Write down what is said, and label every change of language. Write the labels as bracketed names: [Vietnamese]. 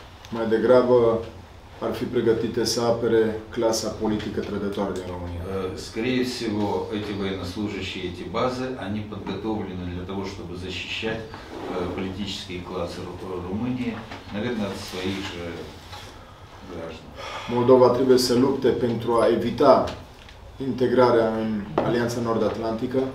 [Romanian] Mai degrabă ar fi pregătite să apere clasa politică trădătoare din România. [Russian] Скорее всего, эти военнослужащие, эти базы, они подготовлены для того, чтобы защищать политические классы Румынии, наверное, от своих же граждан. [Romanian] Молдова trebuie să lupte pentru a evita integrarea în Alianța Nord-Atlantică.